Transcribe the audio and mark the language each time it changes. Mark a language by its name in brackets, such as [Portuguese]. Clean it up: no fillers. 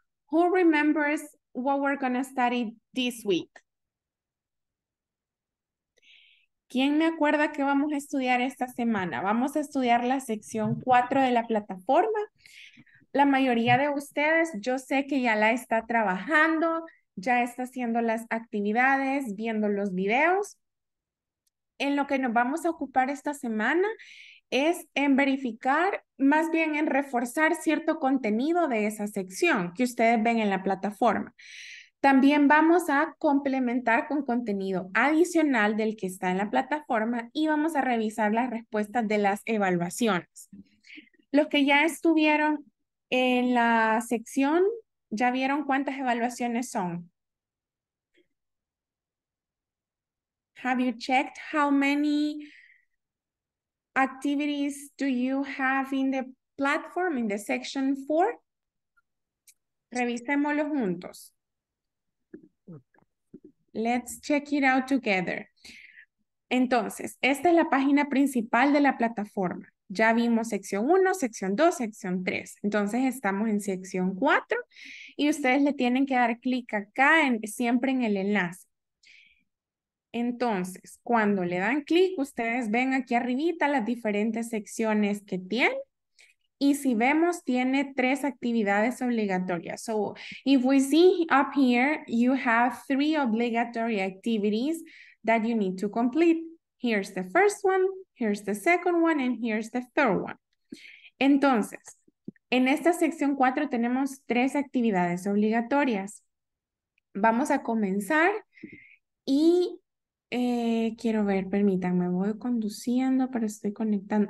[English] Who remembers what we're going to study this week? [Spanish] ¿Quién me acuerda qué vamos a estudiar esta semana? Vamos a estudiar la sección 4 de la plataforma. La mayoría de ustedes, yo sé que ya la está trabajando, ya está haciendo las actividades, viendo los videos. En lo que nos vamos a ocupar esta semana es en verificar, más bien en reforzar cierto contenido de esa sección que ustedes ven en la plataforma. También vamos a complementar con contenido adicional del que está en la plataforma y vamos a revisar las respuestas de las evaluaciones. Los que ya estuvieron en la sección, ¿ya vieron cuántas evaluaciones son? [English] Have you checked how many activities do you have in the platform, in the section 4? [Spanish] Revisémoslo juntos. [English] Let's check it out together. [Spanish] Entonces, esta es la página principal de la plataforma. Ya vimos sección 1, sección 2, sección 3. Entonces estamos en sección 4 y ustedes le tienen que dar clic acá siempre en el enlace. Entonces, cuando le dan clic, ustedes ven aquí arribita las diferentes secciones que tiene. Y si vemos, tiene tres actividades obligatorias. [English] So, if we see up here, you have three obligatory activities that you need to complete. Here's the first one, here's the second one, and here's the third one. [Spanish] Entonces, en esta sección 4 tenemos tres actividades obligatorias. Vamos a comenzar y Quiero ver, permítanme, voy conduciendo, pero estoy conectando.